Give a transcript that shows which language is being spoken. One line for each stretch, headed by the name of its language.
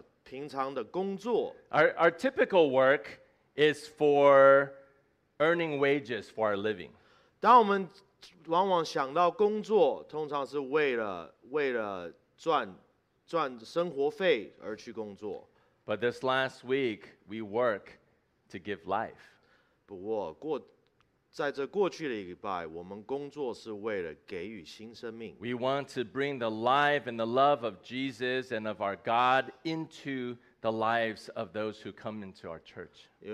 Chinese: 虽然是那种很忙碌的工作的一个礼拜，但是不是我们所谓的平常的工作。
English: Our typical work is for earning wages for our living.
Chinese: 当我们往往想到工作，通常是为了赚生活费而去工作。
English: But this last week, we work to give life.
Chinese: 不过过
English: We want to bring the life and the love of Jesus and of our God into the lives of those who come into our church.